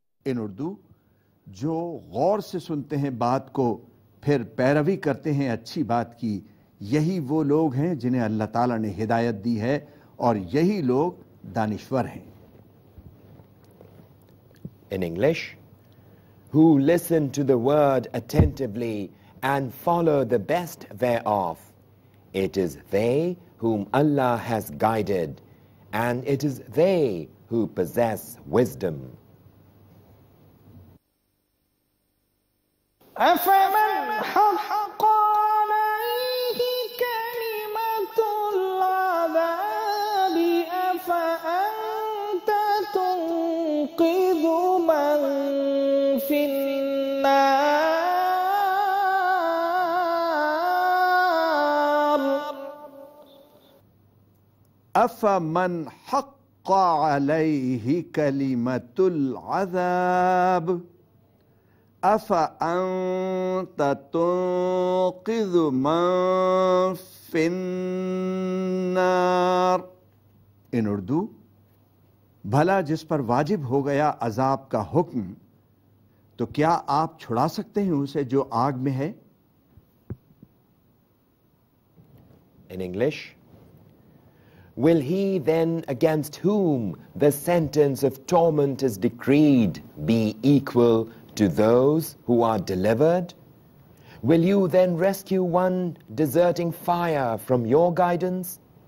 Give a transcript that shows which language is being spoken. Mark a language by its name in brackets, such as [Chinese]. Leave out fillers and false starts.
[English] ان اردو [Urdu] جو غور سے سنتے ہیں بات کو پھر پیروی کرتے ہیں اچھی بات کی یہی وہ لوگ ہیں جنہیں اللہ تعالیٰ نے ہدایت دی ہے اور یہی لوگ دانشور ہیں. [English] In English, who listen to the word attentively and follow the best thereof, it is they whom Allah has guided and it is they who possess wisdom. [Arabic] أفمن حق عليه كلمة العذاب أفأنت تنقذ من في النار. أفمن حق عليه كلمة العذاب أفأنت تنقذ من في النار. [English] In Urdu, [Urdu] بھلا جس پر واجب ہو گیا عذاب کا حکم تو کیا آپ چھڑا سکتے ہیں اسے جو آگ میں ہے. [English] In English, will he then against whom the sentence of torment is decreed be equal to those who are delivered? Will you then rescue one deserting fire from your guidance?